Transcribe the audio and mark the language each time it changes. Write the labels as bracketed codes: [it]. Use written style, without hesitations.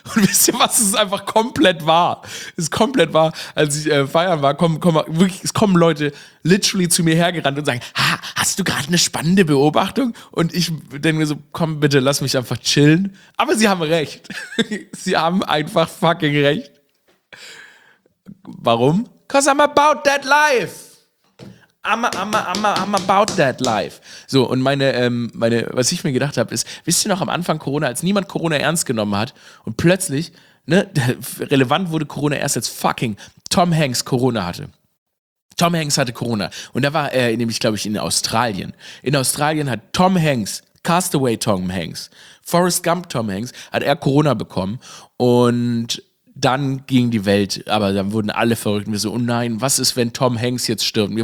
[de] Und wisst ihr was, es ist einfach komplett wahr. Es ist komplett wahr, als ich feiern war, kommen Leute literally zu mir hergerannt und sagen, haha, hast du gerade eine spannende Beobachtung? Und ich denke mir so, komm bitte, lass mich einfach chillen. Aber sie haben recht. Sie haben einfach fucking recht. Warum? [en] Cause I'm about that life. I'm about that life. [de] So, und meine, was ich mir gedacht habe, ist, wisst ihr noch am Anfang Corona, als niemand Corona ernst genommen hat und plötzlich, ne, relevant wurde Corona erst, als fucking Tom Hanks Corona hatte. Tom Hanks hatte Corona. Und da war er nämlich, glaube ich, in Australien. In Australien hat Tom Hanks, Castaway Tom Hanks, Forrest Gump Tom Hanks, hat er Corona bekommen und dann ging die Welt, aber dann wurden alle verrückt und wir so, oh nein, was ist, wenn Tom Hanks jetzt stirbt?